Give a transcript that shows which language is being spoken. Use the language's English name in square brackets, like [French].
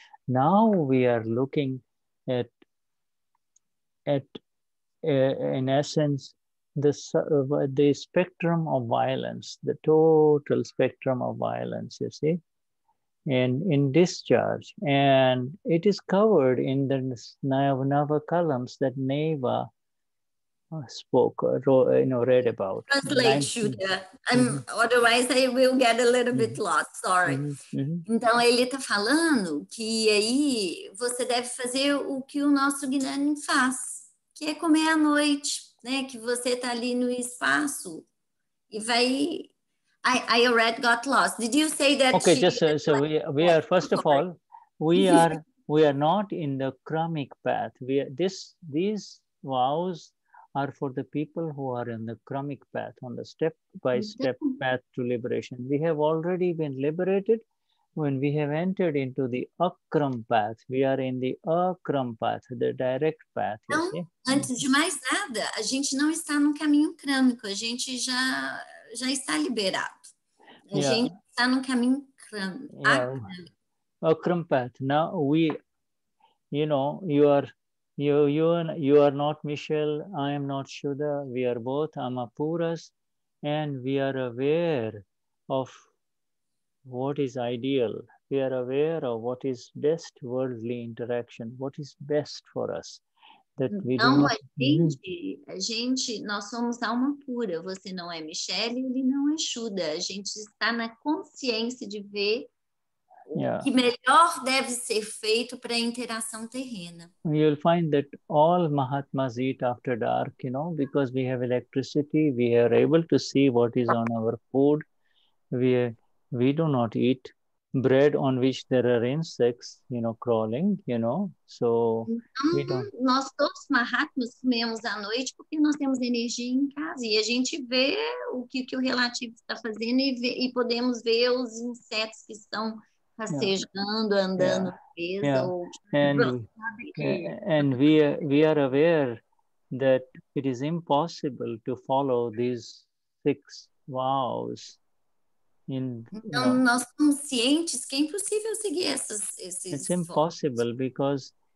[English] Now we are looking at in essence, the spectrum of violence, the total spectrum of violence, you see, in discharge. And it is covered in the Nayavanava columns that Neva spoke, read about. Translate, Shuddha. Otherwise, I will get a little bit lost, sorry. [Portuguese] Então, ele está falando que aí você deve fazer o que o nosso Gnani faz, que é comer à noite, né? Que você está ali no espaço e vai... [English] I already got lost. Did you say that? Okay, we are not in the karmic path. These vows are for the people who are in the karmic path, on the step-by-step path to liberation. We have already been liberated when we have entered into the Akram path. We are in the Akram path, the direct path. [Portuguese] Então, antes de mais nada, a gente não está no caminho crâmico, a gente já está liberado. Gente está no caminho crâmico. [English] Akram path. Now we, you know, you are not Michelle, I am not Shuddha, we are both Amapuras, and we are aware of what is ideal. We are aware of what is best worldly interaction, what is best for us. that we [Portuguese] não, [English] do not [Portuguese] a gente, nós somos alma pura. Você não é Michelle, ele não é Shuddha. A gente está na consciência de ver o que melhor deve ser feito para a interação terrena. [English] You will find that all Mahatmas eat after dark, you know, because we have electricity, we are able to see what is on our food. We do not eat bread on which there are insects, you know, crawling, you know. So [Portuguese] então, [English] we don't... [Portuguese] nós todos Mahatmas comemos à noite porque nós temos energia em casa e a gente vê o que, que o relativo está fazendo e podemos ver os insetos que estão rastejando, andando [English] And we are aware that it is impossible to follow these six vows. [Portuguese] Nós conscientes que é impossível seguir esses [English] It's impossible [Portuguese] votos.